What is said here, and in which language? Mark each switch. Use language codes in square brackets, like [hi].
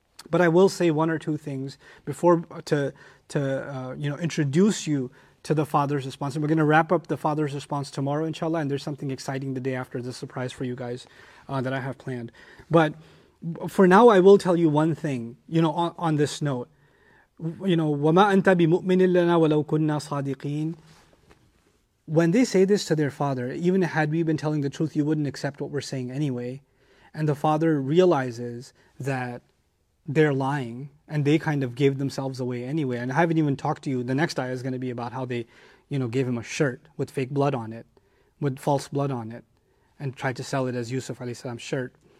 [en] But I will say one or two things before introduce you to the father's response. And we're going to wrap up the father's response tomorrow, inshallah. And there's something exciting the day after, the surprise for you guys that I have planned. But for now, I will tell you one thing, you know, on this note. You know, [ar] وَمَا أَنْتَ بِمُؤْمِنٍ لَنَا وَلَوْ كُنَّا صَادِقِينَ. [en] When they say this to their father, even had we been telling the truth, you wouldn't accept what we're saying anyway. And the father realizes that they're lying, and they kind of gave themselves away anyway. And I haven't even talked to you. The next ayah is going to be about how they, you know, gave him a shirt with fake blood on it, with false blood on it, and tried to sell it as Yusuf alayhi salam's shirt.